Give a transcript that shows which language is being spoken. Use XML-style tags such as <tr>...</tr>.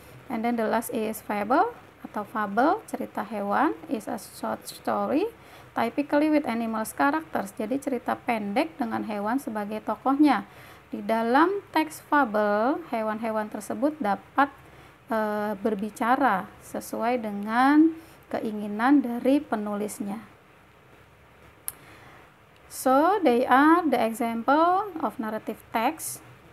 <en>And then the last is fable</en> <id>atau fable, cerita hewan,</id> <en>is a short story typically with animals characters.</en> <id>Jadi cerita pendek dengan hewan sebagai tokohnya. Di dalam teks fabel, hewan-hewan tersebut dapat berbicara sesuai dengan keinginan dari penulisnya.</id> <en>So, they are the example of narrative text.</en>